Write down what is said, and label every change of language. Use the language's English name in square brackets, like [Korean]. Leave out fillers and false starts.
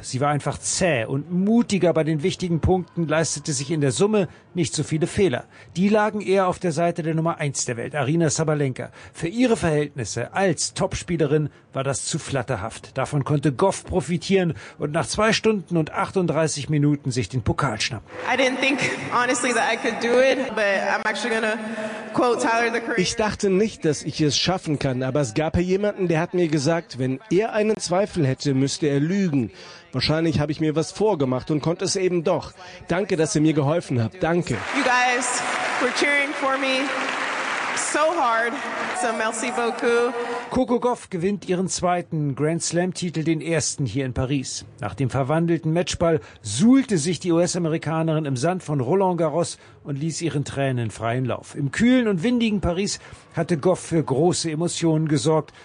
[German] Sie war einfach zäh und mutiger bei den wichtigen Punkten, leistete sich in der Summe nicht so viele Fehler. Die lagen eher auf der Seite der Nummer 1 der Welt, Arina Sabalenka. Für ihre Verhältnisse als Topspielerin war das zu flatterhaft. Davon konnte Gauff profitieren und nach 2 Stunden und 38 Minuten sich den Pokal schnappen. [English] I didn't think, honestly, that I could do it, but I'm actually gonna quote Tyler, the Creator. [German] Ich dachte nicht, dass ich es schaffen kann, aber es gab ja jemanden, der hat mir gesagt, wenn er einen Zweifel hätte, müsste er lügen. Wahrscheinlich habe ich mir was vorgemacht und konnte es eben doch. Danke, dass ihr mir geholfen habt. Danke. [English] You guys were cheering for me so hard. [French] So merci beaucoup. [German] Coco Gauff gewinnt ihren zweiten Grand-Slam-Titel, den ersten hier in Paris. Nach dem verwandelten Matchball suhlte sich die US-Amerikanerin im Sand von Roland-Garros und ließ ihren Tränen freien Lauf. Im kühlen und windigen Paris hatte Gauff für große Emotionen gesorgt.